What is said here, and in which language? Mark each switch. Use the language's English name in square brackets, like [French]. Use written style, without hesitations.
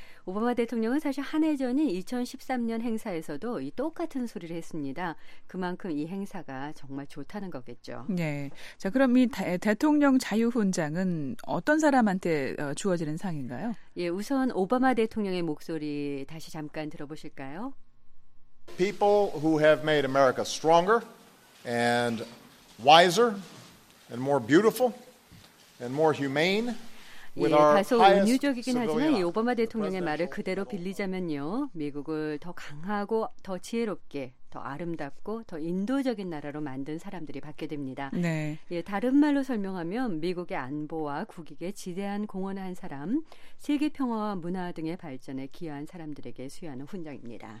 [Korean] 오바마 대통령은 사실 한 해 전인 2013년 행사에서도 이 똑같은 소리를 했습니다. 그만큼 이 행사가 정말 좋다는 거겠죠. 네. 자, 그럼 이 대통령 자유훈장은 어떤 사람한테 주어지는 상인가요? 예, 우선 오바마 대통령의 목소리 다시 잠깐 들어보실까요? [English] People who have made America stronger and wiser and more beautiful and more humane. [Korean] 예, 다소 은유적이긴 하지만 이 오바마 대통령의 말을 그대로 빌리자면요. 미국을 더 강하고 더 지혜롭게 더 아름답고 더 인도적인 나라로 만든 사람들이 받게 됩니다. 네. 예, 다른 말로 설명하면 미국의 안보와 국익에 지대한 공헌을 한 사람, 세계 평화와 문화 등의 발전에 기여한 사람들에게 수여하는 훈장입니다.